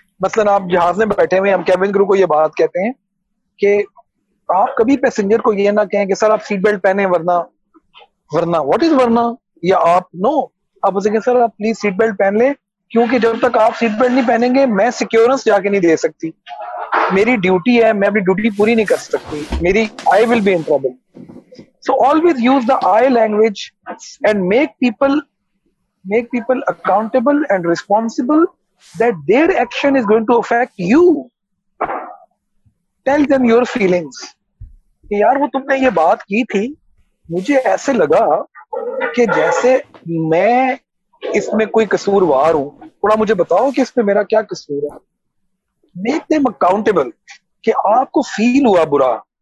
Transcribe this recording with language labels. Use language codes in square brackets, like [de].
[ur] مثلا آپ جہاز میں بیٹھے ہوئے, ہم کیبن کرو کو یہ بات کہتے ہیں کہ آپ کبھی پیسنجر کو یہ نہ کہیں کہ سر آپ سیٹ بیلٹ پہنے ورنہ [en] what is [ur] ورنہ, یا آپ نو آپ اسے کہ سر آپ پلیز سیٹ بیلٹ پہن لیں, کیونکہ جب تک آپ سیٹ بیلٹ نہیں پہنیں گے میں سیکیورنس جا کے نہیں دے سکتی, میری ڈیوٹی ہے, میں اپنی ڈیوٹی پوری نہیں کر سکتی, میری [en] I will be in trouble. So always use the I language and make people accountable and responsible that their action is going to affect you. Tell them your feelings. [ur] کہ یار وہ تم نے یہ بات کی تھی, مجھے ایسے لگا کہ جیسے میں اس میں کوئی قصوروار ہوں, تھوڑا مجھے بتاؤ کہ اس میں میرا کیا قصور ہے. [en] Make them accountable [ur] کہ آپ کو فیل ہوا برا.